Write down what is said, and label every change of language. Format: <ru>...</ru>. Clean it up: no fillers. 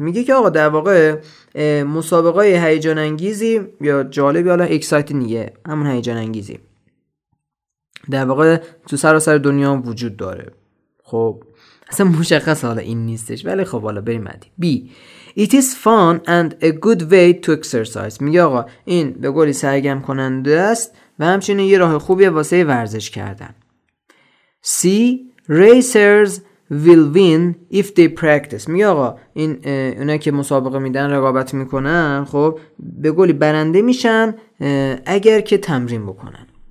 <fa>میگه که آقا در واقع مسابقه های هیجان انگیزی یا جالبی، حالا exciting یه همون هیجان انگیزی، در واقع تو سراسر دنیا وجود داره. خب اصلا مشخص حالا این نیستش، ولی خب حالا بریم بعدی.</fa> <en>B It is fun and a good way to exercise.</en> <fa>میگه آقا این به قولی سرگرم کننده است و همچنین یه راه خوبیه واسه ورزش کردن.</fa> <en>C Racers will win if they practice.</en> <fa>میگه آقا این اونا که مسابقه میدن، رقابت میکنن، خب به قولی برنده میشن اگر که تمرین بکنن.</fa>